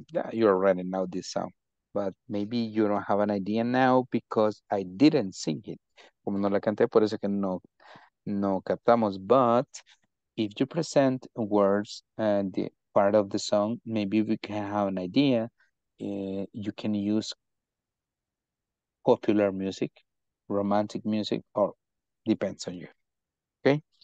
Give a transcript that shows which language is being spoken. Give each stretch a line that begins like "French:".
English: Yeah, you're writing out this song, but maybe you don't have an idea now because I didn't sing it.
Spanish: Como no la canté, por eso que no captamos.
English: But if you present words and the part of the song, maybe we can have an idea. You can use popular music, romantic music, or depends on you. Okay.